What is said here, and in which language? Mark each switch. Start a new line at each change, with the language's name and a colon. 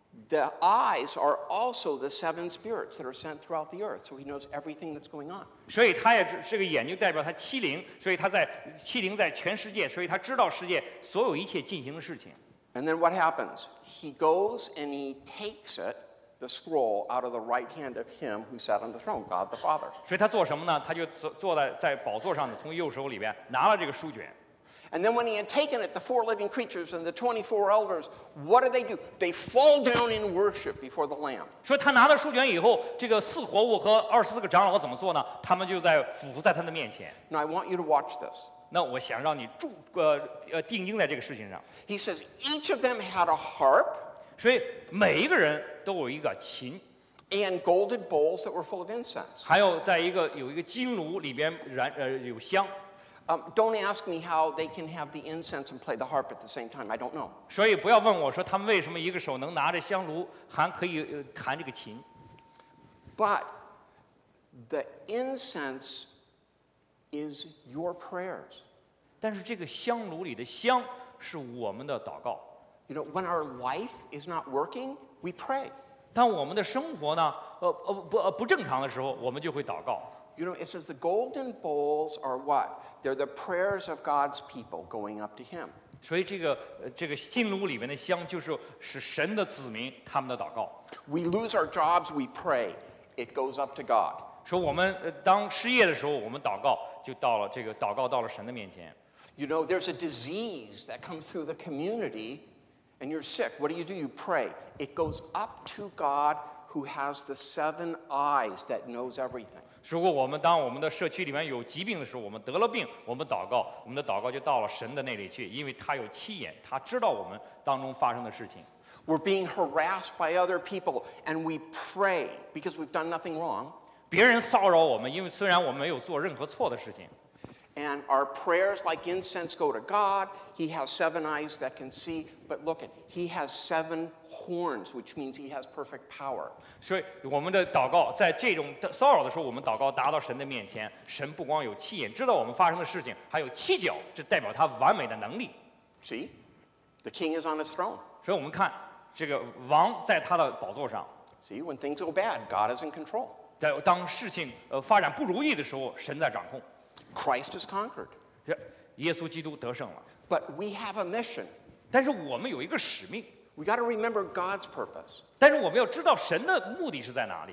English: The eyes are also the seven spirits that are sent throughout the earth, so he knows everything that's going on.
Chinese: 所以他也这个眼睛代表他七灵，所以他在七灵在全世界，所以他知道世界所有一切进行的事情。
English: And then what happens? He goes and he takes it, the scroll, out of the right hand of him who sat on the throne, God the Father.
Chinese: 所以他做什么呢？他就坐在宝座上的，从右手里边拿了这个书卷。
English: And then when he had taken it, the four living creatures and the 24 elders, what do? They fall down in worship before the Lamb.
Chinese: 说他拿了书卷以后，这个四活物和二十四个长老怎么做呢？他们就在俯伏在他的面前。
English: Now I want you to watch this.
Chinese: 那我想让你定睛在这个事情上。
English: He says each of them had a harp.
Chinese: 所以每一个人都有一个琴。
English: And golden bowls that were full of incense.
Chinese: 还有在一个有一个金炉里边燃有香。
English: Don't ask me how they can have the incense and play the harp at the same time. I don't know.
Chinese: 所以不要问我说他们为什么一个手能拿着香炉还可以弹这个琴。
English: But the incense is your prayers.
Chinese: 但是这个香炉里的香是我们的祷告。
English: You know, when our life is not working, we pray.
Chinese: 当我们的生活呢不正常的时候，我们就会祷告。
English: You know, it says the golden bowls are what? They're the prayers of God's people going up to Him.
Chinese: 所以这个金炉里面的香就是是神的子民他们的祷告。
English: We lose our jobs, we pray. It goes up to God.
Chinese: 说我们当失业的时候，我们祷告就到了这个祷告到了神的面前。
English: You know, there's a disease that comes through the community, and you're sick. What do? You pray. It goes up to God, who has the seven eyes that knows everything.
Chinese: 如果我们当我们的社区里面有疾病的时候，我们得了病，我们祷告，我们的祷告就到了神的那里去，因为他有七眼，他知道我们当中发生的事情。
English: We're being harassed by other people, and we pray because we've done nothing wrong.
Chinese: 别人骚扰我们，因为虽然我们没有做任何错的事情。
English: And our prayers, like incense, go to God. He has seven eyes that can see. But look at, He has seven horns, which means He has perfect power.
Chinese: 所以我们的祷告在这种骚扰的时候，我们祷告达到神的面前。神不光有七眼知道我们发生的事情，还有七脚，这代表他完美的能力。
English: See, the king is on his throne.
Chinese: 所以我们看这个王在他的宝座上。
English: See, when things go bad, God is in control.
Chinese: 在当事情发展不如意的时候，神在掌控。
English: Christ has conquered.
Chinese: 耶稣基督得胜了。
English: But we have a mission.
Chinese: 但是我们有一个使命。
English: We got to remember God's purpose.
Chinese: 但是我们要知道神的目的是在哪里。